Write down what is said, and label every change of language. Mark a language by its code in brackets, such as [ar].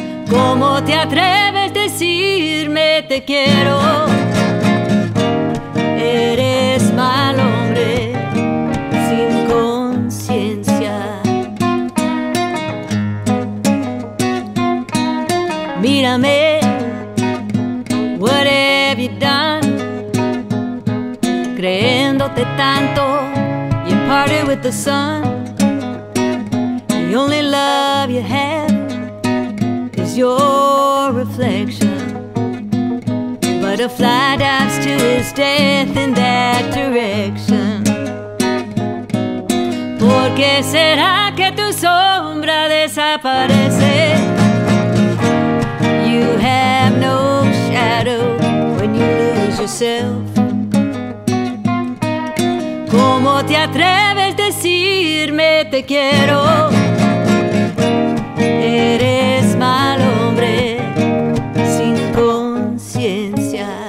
[es] ¿Cómo te atreves a decirme te quiero? Eres mal hombre sin conciencia. Mírame, [en] what have you done? [es] Creyéndote tanto, [en] you parted with the sun. The only love you have is your reflection. But a fly dives to his death in that direction. [es] ¿Por qué será que tu sombra desaparece? [en] You have no shadow when you lose yourself. [es] ¿Cómo te atreves a decirme te quiero? Eres mal hombre sin conciencia.